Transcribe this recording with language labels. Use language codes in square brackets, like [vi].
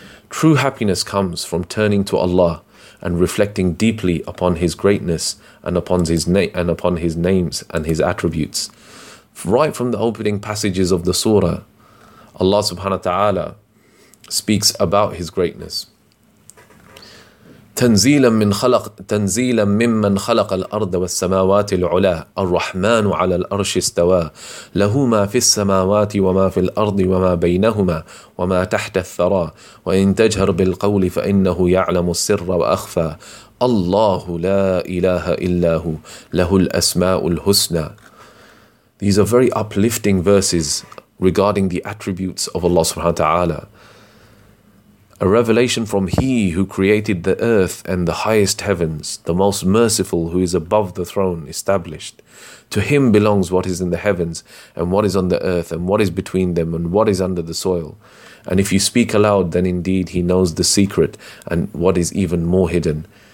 [en] True happiness comes from turning to Allah and reflecting deeply upon His greatness and upon His names and His attributes. Right from the opening passages of the surah, Allah subhanahu wa ta'ala speaks about His greatness. [ar] تنزيلا ممن خلق الأرض والسماوات العلا الرحمن على الأرش استوى له ما في السماوات وما في الأرض وما بينهما وما تحت الثرى وإن تجهر بالقول فإنه يعلم السر وأخفى الله لا إله إلا هو له الأسماء الحسنى [en] These are very uplifting verses regarding the attributes of Allah subhanahu wa ta'ala. A revelation from He who created the earth and the highest heavens, the most merciful who is above the throne established. To Him belongs what is in the heavens and what is on the earth and what is between them and what is under the soil. And if you speak aloud, then indeed He knows the secret and what is even more hidden.